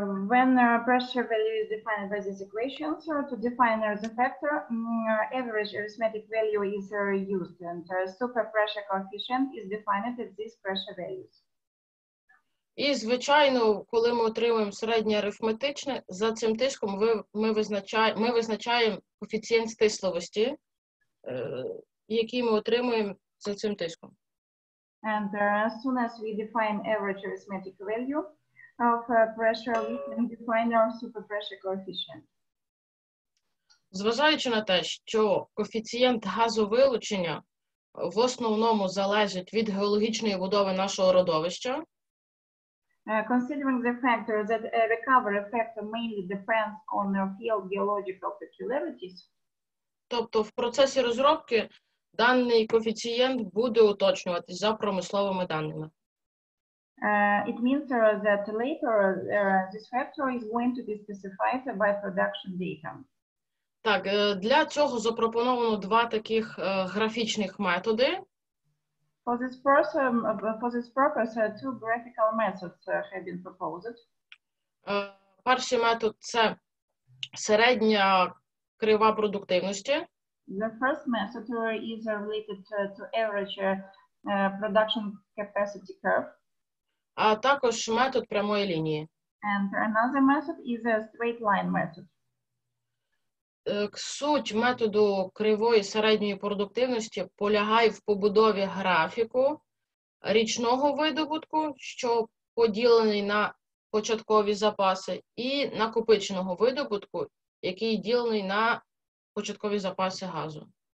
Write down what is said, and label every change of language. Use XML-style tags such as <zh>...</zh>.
<en>When pressure value is defined by this equation, so to define the factor, average arithmetic value is used, and super pressure coefficient is defined at these pressure values.</en> <uk>І, звичайно, коли ми отримуємо середнє арифметичне, за цим тиском ми визначаємо коефіцієнт стисловості, який ми отримуємо за цим тиском.</uk> <en>And as soon as we define average arithmetic value of pressure, we can define our super pressure coefficient.</en> <uk>Зважаючи на те, що коефіцієнт газовилучення в основному залежить від геологічної будови нашого родовища,</uk> <en>considering the fact that a recovery factor mainly depends on the field geological peculiarities,</en> <uk>тобто в процесі розробки даний коефіцієнт буде уточнюватись за промисловими даними.</uk> <en>It means that later this factor is going to be specified by production data.</en> <uk>Так, для цього запропоновано два таких графічних методи.</uk> <en>For this purpose, two graphical methods have been proposed.</en> <uk>Перший метод – це середня крива продуктивності.</uk> <en>The first method is related to average production capacity curve.</en> <uk>А також метод прямої лінії.</uk> <en>And another method is a straight line method.</en> <uk>Суть методу кривої середньої продуктивності полягає в побудові графіку річного видобутку, що поділений на початкові запаси, і накопиченого видобутку, який ділений на початкові запаси газу.</uk>